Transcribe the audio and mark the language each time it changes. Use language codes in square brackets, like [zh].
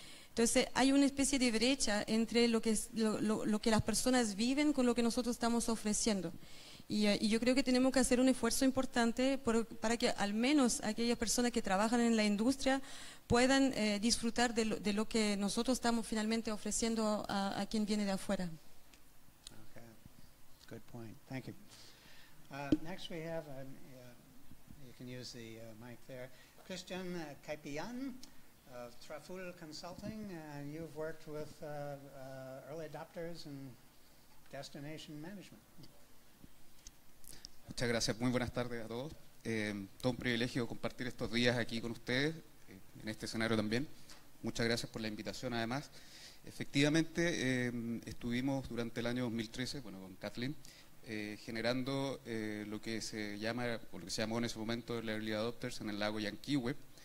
[es] Entonces, hay una especie de brecha entre lo que las personas viven con lo que nosotros estamos ofreciendo. Y yo creo que tenemos que hacer un esfuerzo importante para que al menos aquellas personas que trabajan en la industria puedan disfrutar de lo que nosotros estamos finalmente ofreciendo a quien viene de afuera. [en] Okay. Good point. Thank you. Next we have, you can use the mic there, Cristián Caipillán of Traful Consulting, and you've worked with early adopters and destination management. [es] Muchas gracias, muy buenas tardes a todos. Todo un privilegio compartir estos días aquí con ustedes, en este escenario también. Muchas gracias por la invitación, además. Efectivamente, estuvimos durante el año 2013, bueno, con Kathleen, generando lo que se llama, o lo que se llamó en ese momento, el Early Adopters en el lago Llanquihue.